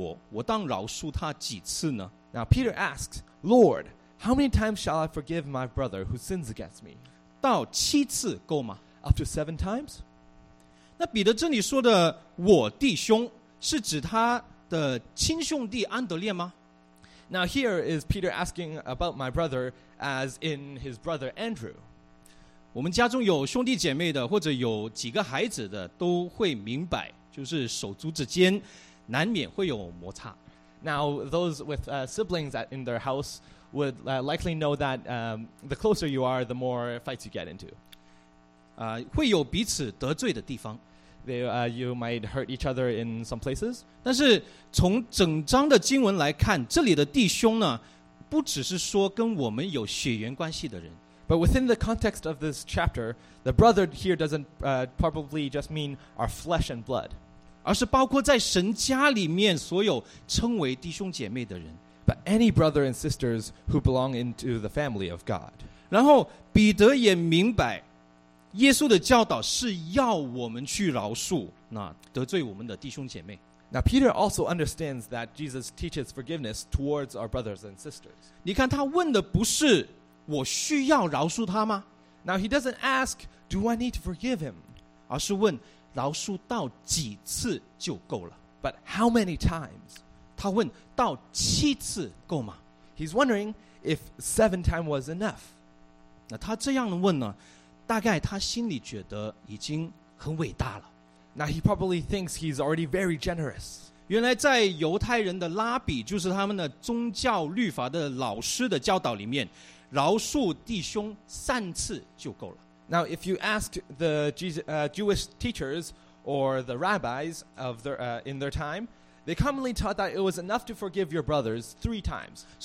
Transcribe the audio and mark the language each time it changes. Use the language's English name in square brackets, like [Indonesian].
[Chinese] 他说，主啊，我弟兄得罪我，我当饶恕他几次呢？ [English] Now Peter asks, Lord, how many times shall I forgive my brother who sins against me? [Chinese] 到七次够吗？ [English] Up to 7 times? [Chinese] 那彼得这里说的我弟兄是指他的亲兄弟安德烈吗？ [English] Now here is Peter asking about my brother as in his brother Andrew. [Chinese] 我们家中有兄弟姐妹的或者有几个孩子的都会明白就是手足之间难免会有摩擦。 [English] Now those with siblings in their house would likely know that the closer you are, the more fights you get into. [Chinese] 会有彼此得罪的地方。 [English] You might hurt each other in some places. [Chinese] 但是从整章的经文来看, 这里的弟兄呢, 不只是说跟我们有血缘关系的人。 [English] But within the context of this chapter, the brother here doesn't probably just mean our flesh and blood. [Chinese] 而是包括在神家里面所有称为弟兄姐妹的人。 [English] But any brother and sisters who belong into the family of God. [Chinese] 然后彼得也明白, 耶稣的教导是要我们去饶恕那得罪我们的弟兄姐妹。 [English] Now Peter also understands that Jesus teaches forgiveness towards our brothers and sisters. [Chinese] 你看他问的不是我需要饶恕他吗？ [English] Now he doesn't ask, do I need to forgive him? [Chinese] 而是问饶恕到几次就够了。 [English] But how many times? [Chinese] 他问到七次够吗？ [English] He's wondering if 7 times was enough. [Chinese] 那他这样问呢？大概他心里觉得已经很伟大了。 [English] Now he probably thinks he's already very generous. [Chinese] 原来在犹太人的拉比，就是他们的宗教律法的老师的教导里面， 饶恕弟兄3次就够了。 [English] Now if you ask the Jewish teachers or the rabbis of their, in their time, they commonly taught that it was enough to forgive your brothers 3 times.